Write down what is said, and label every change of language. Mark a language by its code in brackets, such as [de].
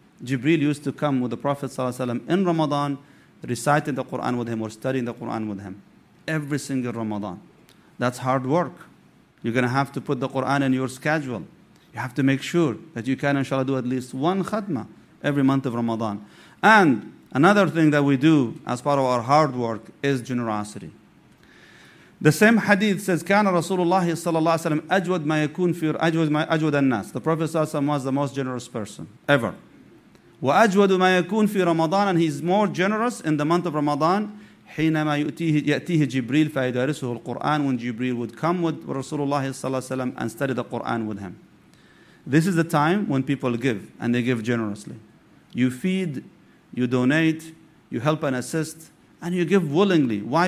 [en] Jibreel used to come with the Prophet ﷺ in Ramadan, reciting the Quran with him or studying the Quran with him every single Ramadan. That's hard work. You're going to have to put the Quran in your schedule. You have to make sure that you can, inshallah, do at least one khatma every month of Ramadan. And another thing that we do as part of our hard work is generosity. The same hadith says, [ar] كان رسول الله صلى الله عليه وسلم أجود ما يكون في أجود الناس. [en] The Prophet ﷺ was the most generous person ever. [ar] وَأَجْوَدُ مَا يَكُونَ فِي رَمَضَانَ. [en] And he's more generous in the month of Ramadan. [ar] حِينَمَا يَأْتِيهِ جِبْرِيلْ فَيَدَارِسُهُ الْقُرْآنَ. [en] When Jibreel would come with Rasulullah ﷺ and study the Quran with him. This is the time when people give, and they give generously. You feed, you donate, you help and assist, and you give willingly. Why?